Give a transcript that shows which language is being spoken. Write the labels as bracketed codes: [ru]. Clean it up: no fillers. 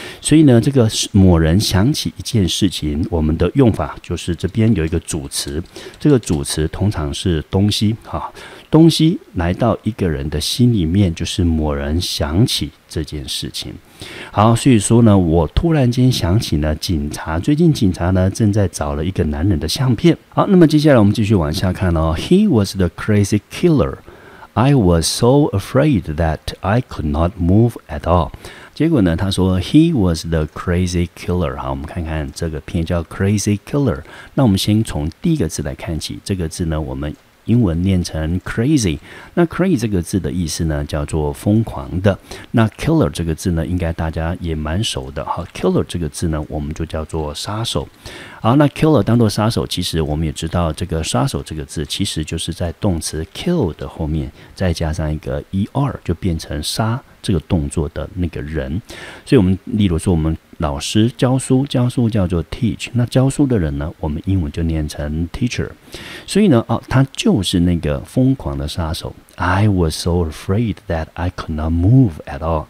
[zh] 所以呢这个某人想起一件事情，我们的用法就是这边有一个主词，这个主词通常是东西，东西来到一个人的心里面，就是某人想起这件事情。好，所以说呢，我突然间想起呢，警察最近警察呢正在找了一个男人的相片。好，那么接下来我们继续往下看哦。 [en] He was the crazy killer. I was so afraid that I could not move at all. [zh] 结果呢他说 [en] He was the crazy killer。 [zh] 好，我们看看这个片叫 crazy killer。那我们先从第一个字来看起，这个字呢我们英文念成 crazy。那 crazy 这个字的意思呢叫做疯狂的，那 killer 这个字呢应该大家也蛮熟的。好， killer 这个字呢我们就叫做杀手。好，那 killer 当作杀手，其实我们也知道这个杀手这个字其实就是在动词 kill 的后面再加上一个 er 就变成杀这个动作的那个人。所以我们例如说我们老师教书，教书叫做 teach， 那教书的人呢我们英文就念成 teacher。所以呢、他就是那个疯狂的杀手。 [en] I was so afraid that I could not move at all。